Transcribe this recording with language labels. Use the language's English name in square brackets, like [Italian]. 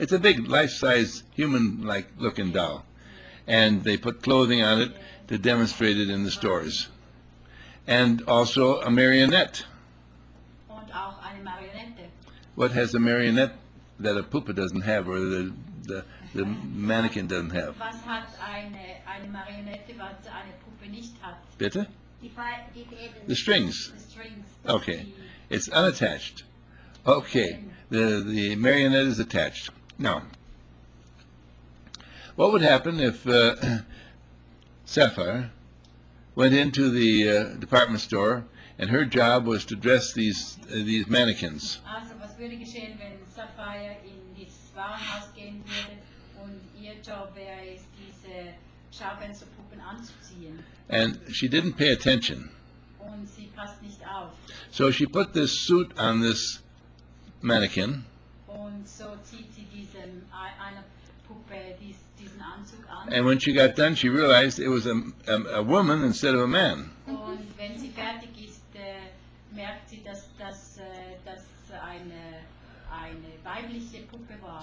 [English] It's a big life-size human-like looking doll. Yes. And they put clothing on it, yes, to demonstrate it in the stores. And also a marionette. [German] Und auch eine Marionette. [English] What has a marionette that a puppe doesn't have, or the mannequin doesn't have? [German] Was hat eine Marionette, was eine Puppe nicht hat? Bitte? Was [English] The strings. The strings. Okay. It's unattached. Okay. The marionette is attached. Now, what would happen if Sapphire went into the department store and her job was to dress these mannequins? [German] Also, was würde geschehen, wenn Sapphire in das Warenhaus gehen würde und ihr Job wäre es, diese Schaufensterpuppen anzuziehen? [English] And she didn't pay attention. [German] Und sie passt nicht auf. [English] So she put this suit on this mannequin. [German] Und so zieht sie diesem einer Puppe diesen Anzug an. [English] And when she got done, she realized it was a woman instead of a man. [German] Und wenn sie fertig ist, merkt sie, dass eine weibliche Puppe war.